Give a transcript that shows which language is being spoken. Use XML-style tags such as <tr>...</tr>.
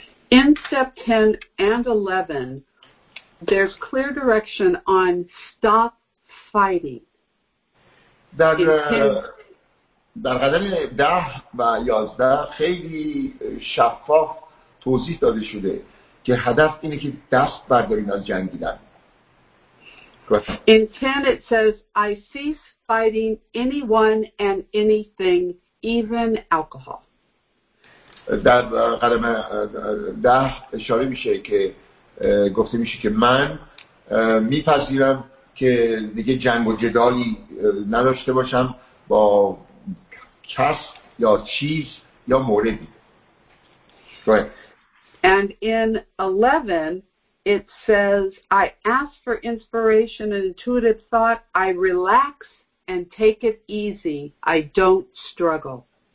<en>In step 10 and 11, there's clear direction on stop fighting.</en> <fa>در قدم 10 و 11 خیلی شفاف توضیح داده شده که هدف اینه که دست بردارین از جنگیدن.</fa> <en>In 10 it says I cease fighting anyone and anything, even alcohol.</en> <fa>در قدم 10 اشاره میشه که گفته میشه که من میپذیرم که دیگه جنگ و جدالی نداشته باشم با کس یا چیز یا موردی.</fa> <en>And in 11 it says I ask for inspiration and intuitive thought, I relax and take it easy, I don't struggle.</en>